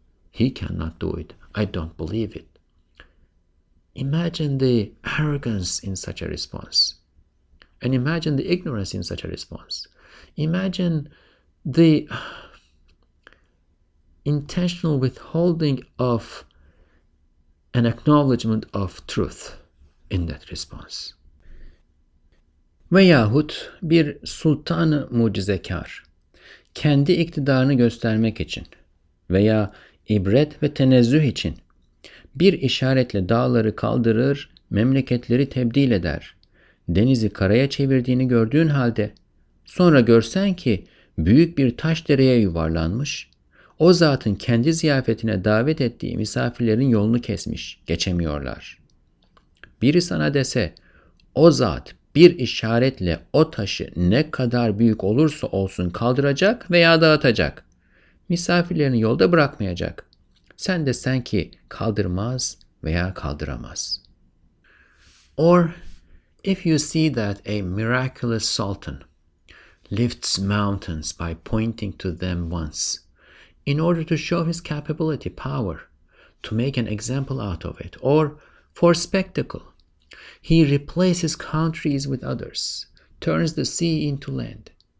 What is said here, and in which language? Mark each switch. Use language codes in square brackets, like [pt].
[en] He cannot do it, I don't believe it. Imagine the arrogance in such a response. And imagine the ignorance in such a response. Imagine the intentional withholding of an acknowledgement of truth in that response. [tr] Veyahut bir sultan-ı mucizekar kendi iktidarını göstermek için veya ibret ve tenezzüh için bir işaretle dağları kaldırır, memleketleri tebdil eder, denizi karaya çevirdiğini gördüğün halde sonra görsen ki büyük bir taş dereye yuvarlanmış, o zatın kendi ziyafetine davet ettiği misafirlerin yolunu kesmiş, geçemiyorlar. Biri sana dese, o zat bir işaretle o taşı ne kadar büyük olursa olsun kaldıracak veya dağıtacak. Misafirlerini yolda bırakmayacak. Sen desen ki kaldırmaz veya kaldıramaz. [en] Or if you see that a miraculous sultan lifts mountains by pointing to them once, in order to show his capability, power, to make an example out of it, or for spectacle, he replaces countries with others, turns the sea into land.